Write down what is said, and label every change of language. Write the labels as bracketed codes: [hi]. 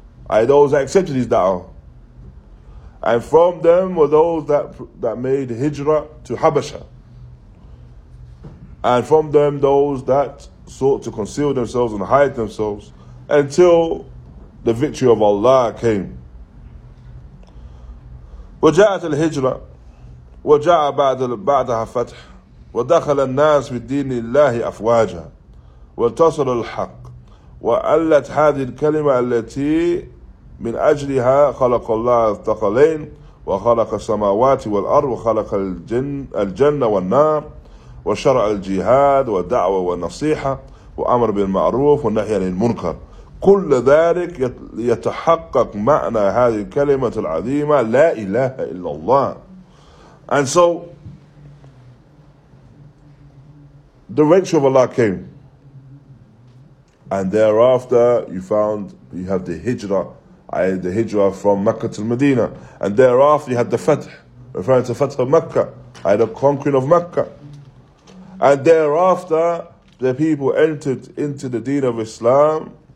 [en] And those that accepted his da'wah. And from them were those that made hijrah to Habasha. And from them those that sought to conceal themselves and hide themselves until the victory of Allah came. [ar] وجاءت الهجرة وجاء بعدها فتح ودخل الناس بالدين الله أفواجا وانتصر الحق وألت هذه الكلمة التي من أجلها خلق الله الثقلين وخلق السماوات والأرض وخلق الجنة والنار وشرع الجهاد ودعوة ونصيحة وأمر بالمعروف والنهي عن المنكر. كل ذلك يتحقق معنى هذه الكلمة العظيمة لا إله إلا الله. [en] And so the wrench of Allah came, and thereafter you have the hijra, the hijra from Mecca to Medina, and thereafter you had the fath, referring to fath of Mecca, the conquering of Mecca, and thereafter the people entered into the deen of Islam.